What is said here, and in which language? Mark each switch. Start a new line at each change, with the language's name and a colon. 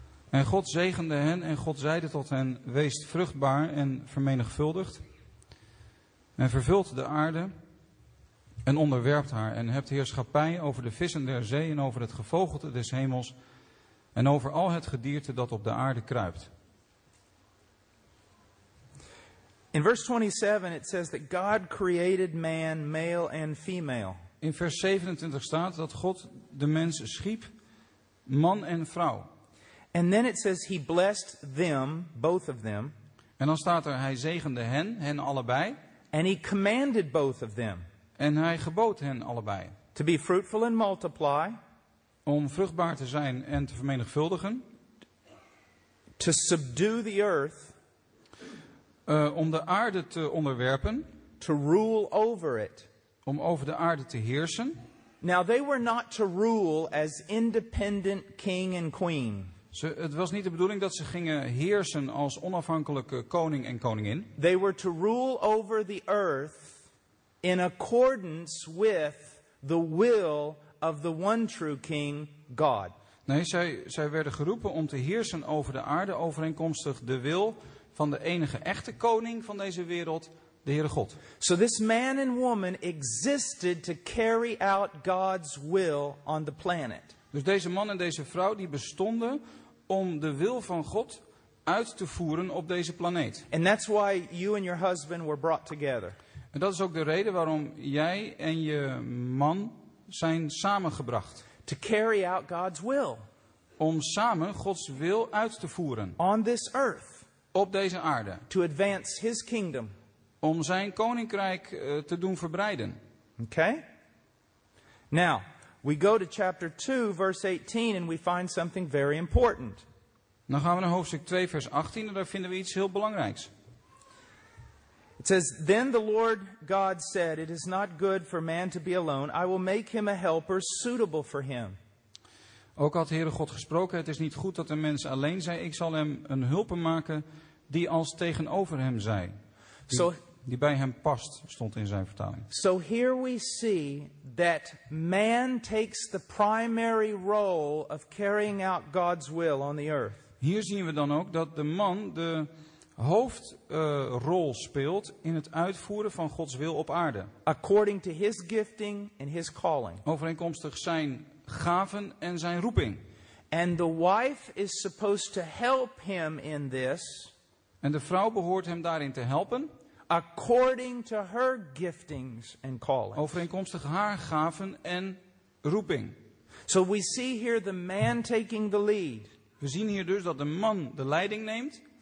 Dutch: En God zegende hen en God zeide tot hen, wees vruchtbaar en vermenigvuldigt en vervult de aarde. En onderwerpt haar en hebt heerschappij over de vissen der zee en over het gevogelte des hemels en over al het gedierte dat op de aarde kruipt.
English: In verse 27 it says that God created man male and female.
Dutch: In vers 27 staat dat God de mens schiep, man en vrouw.
English: And then it says he blessed them, both of them.
Dutch: En dan staat er hij zegende hen allebei.
English: And he commanded both of them.
Dutch: En hij gebood hen allebei.
English: To be fruitful and multiply.
Dutch: Om vruchtbaar te zijn en te vermenigvuldigen.
English: To subdue the earth.
Dutch: Om de aarde te onderwerpen.
English: To rule over it.
Dutch: Om over de aarde te heersen.
English: Now they were not to rule as independent king and queen.
Dutch: Het was niet de bedoeling dat ze gingen heersen als onafhankelijke koning en koningin.
English: They were to rule over the earth. In accordance with the will of the one true king, God.
Dutch: Nee, zij werden geroepen om te heersen over de aarde overeenkomstig de wil van de enige echte koning van deze wereld, de Heere God.
English: So this man and woman existed to carry out God's will on the planet.
Dutch: Dus deze man en deze vrouw die bestonden om de wil van God uit te voeren op deze planeet.
English: And that's why you and your husband were brought together.
Dutch: En dat is ook de reden waarom jij en je man zijn samengebracht.
English: To carry out God's will.
Dutch: Om samen Gods wil uit te voeren.
English: On this earth.
Dutch: Op deze aarde.
English: To advance his kingdom.
Dutch: Om zijn koninkrijk te doen verbreiden.
English: Okay. Now, we go to chapter 2, verse 18, and we find something very important.
Dutch: Dan gaan we naar hoofdstuk 2, vers 18, en daar vinden we iets heel belangrijks.
English: It says, then the Lord God said, it is not good for man to be alone. I will make him a helper suitable for him.
Dutch: Ook had de Heere God gesproken, het is niet goed dat een mens alleen zij. Ik zal hem een hulper maken die als tegenover hem zij. Die bij hem past, stond in zijn vertaling.
English: So here we see that man takes the primary role of carrying out God's will on the earth.
Dutch: Hier zien we dan ook dat de man de hoofdrol speelt in het uitvoeren van Gods wil op aarde.
English: According to his gifting and his calling.
Dutch: Overeenkomstig zijn gaven en zijn roeping.
English: And the wife is supposed to help him in this.
Dutch: En de vrouw behoort hem daarin te helpen.
English: According to her giftings and callings.
Dutch: Overeenkomstig haar gaven en roeping.
English: So we see here the man taking the lead.
Dutch: We zien hier dus dat de man de leiding neemt.